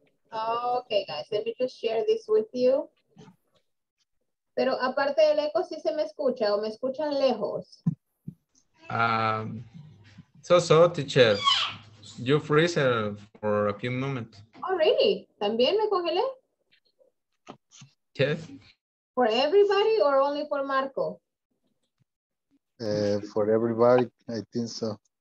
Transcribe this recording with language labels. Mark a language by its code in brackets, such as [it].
[en] Okay, guys, let me just share this with you. [es] Pero aparte del eco, ¿sí se me escucha o me escuchan lejos? [en] So, teacher, you freeze for a few moments. Oh, really? [es] ¿También me congelé? [en] Yes. For everybody or only for Marco? For everybody, I think so.